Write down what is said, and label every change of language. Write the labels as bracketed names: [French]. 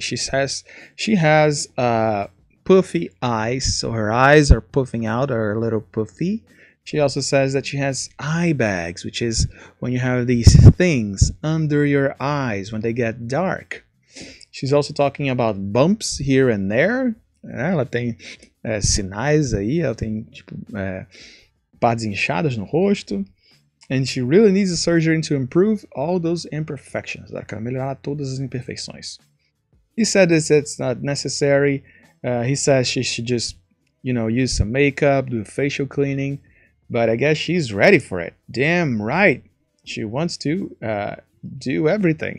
[English] She says she has puffy eyes, so her eyes are puffing out, are a little puffy. She also says that she has eye bags, which is when you have these things under your eyes when they get dark. She's also talking about bumps here and there. [Portuguese] Ela tem sinais aí, ela tem tipo partes inchadas no rosto. [English] And she really needs a surgery to improve all those imperfections. [Portuguese] Ela quer melhorar todas as imperfeições. [English] He said this, it's not necessary. He says she should just, you know, use some makeup, do facial cleaning. But I guess she's ready for it. Damn right. She wants to do everything.